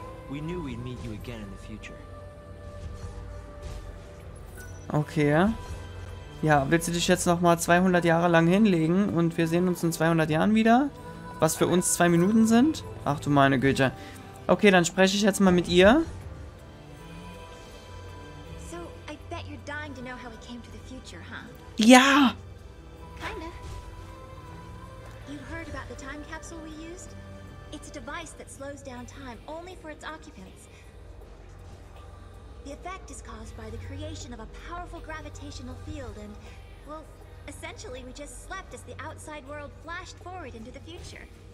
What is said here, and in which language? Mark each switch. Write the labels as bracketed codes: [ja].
[en] We knew we'd meet you again in the future. Okay. [de] Ja, willst du dich jetzt nochmal 200 Jahre lang hinlegen und wir sehen uns in 200 Jahren wieder? Was für uns 2 Minuten sind? Ach du meine Güte. Okay, dann spreche ich jetzt mal mit ihr. [en] So, I bet you're dying to know how we came to the future, huh? [de] Ja! [en] Kinda. You heard about the time capsule we used? It's a device that slows down time only for its occupants. The effect is caused by the creation of a powerful gravitational field and, well, essentially we just slept as the outside world flashed forward into the future.